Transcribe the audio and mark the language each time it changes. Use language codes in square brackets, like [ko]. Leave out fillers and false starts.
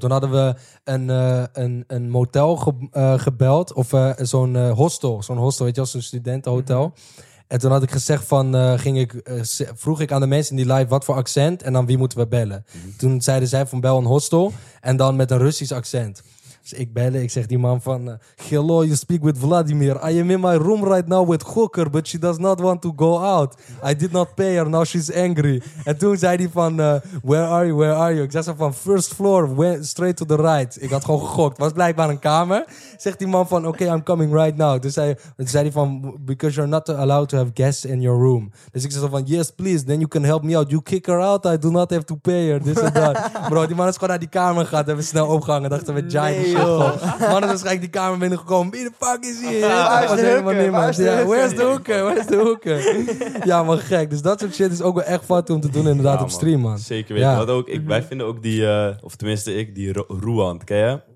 [nl] Toen hadden we een motel gebeld. Of zo'n hostel. Zo'n hostel, weet je wel, zo'n studentenhotel. En toen had ik gezegd van, vroeg ik aan de mensen in die live wat voor accent. En dan wie moeten we bellen. Mm-hmm. Toen zeiden zij van bel een hostel. En dan met een Russisch accent. Dus ik bellen, ik zeg die man van, [en] hello, you speak with Vladimir. I am in my room right now with Hooker, but she does not want to go out. I did not pay her, now she's angry. [nl] En toen zei die van, [en] where are you? [nl] Ik zeg zo van, [en] first floor, straight to the right. [nl] Ik had gewoon gegokt, het was blijkbaar een kamer. Zegt die man van, [en] okay, I'm coming right now. [nl] Dus zei die van, [en] because you're not allowed to have guests in your room. [nl] Dus ik zeg zo van, [en] yes, please, then you can help me out. You kick her out, I do not have to pay her, this and that. [nl] Bro, die man is gewoon naar die kamer gegaan, hebben we snel opgehangen, dachten we, giant. Nee. Oh, man is waarschijnlijk die kamer binnengekomen. Wie de fuck is hier? Waar is de hoeken? Ja, maar gek. Dus dat soort shit is ook wel echt fout om te doen inderdaad op stream, man. Zeker weten. Ja. Wat ook, wij vinden ook die, of tenminste ik, die Ruand, ken je?